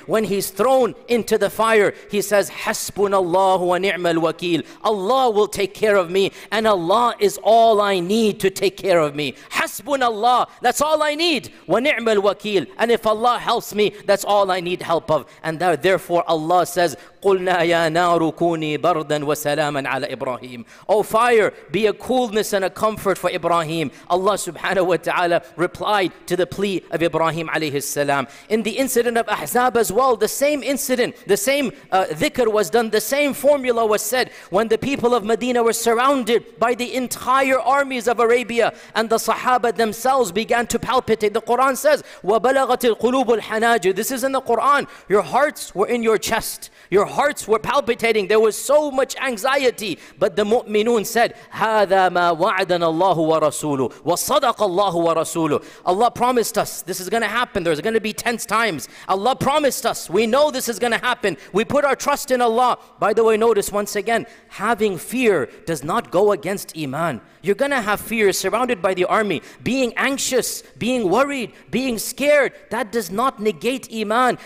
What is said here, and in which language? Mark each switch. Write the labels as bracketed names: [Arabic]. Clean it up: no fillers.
[English] When he's thrown into the fire, he says, [Arabic] Hasbunallahu wa ni'mal wakeel. [English] Allah will take care of me. And Allah is all I need to take care of me. Hasbunallah. That's all I need. [Arabic] Wa ni'mal wakeel. [English] And if Allah helps me, that's all I need help of. And that, therefore Allah says, [Arabic] قُلْنَا يَا نَارُ كُونِي بَرْدًا وَسَلَامًا عَلَى إِبْرَاهِيمٍ. [English] Oh fire, be a coolness and a comfort for Ibrahim. Allah subhanahu wa ta'ala replied to the plea of Ibrahim alayhi salam. In the incident of Ahzab as well, the same incident, the same dhikr was done, the same formula was said when the people of Medina were surrounded by the entire armies of Arabia and the Sahaba themselves began to palpitate. The Quran says, [Arabic] وَبَلَغَتِ الْقُلُوبُ الْحَنَاجِ. [English] This is in the Quran. Your hearts were in your chest. Your hearts were palpitating. There was so much anxiety. But the mu'minun said, [Arabic] هَذَا مَا وَعَدَنَ اللَّهُ وَرَسُولُ وَصَدَقَ اللَّهُ وَرَسُولُ. [English] Allah promised us this is going to happen. There's going to be tense times. Allah promised us. We know this is going to happen. We put our trust in Allah. By the way, notice once again, having fear does not go against Iman. You're going to have fear surrounded by the army. Being anxious, being worried, being scared, that does not negate Iman.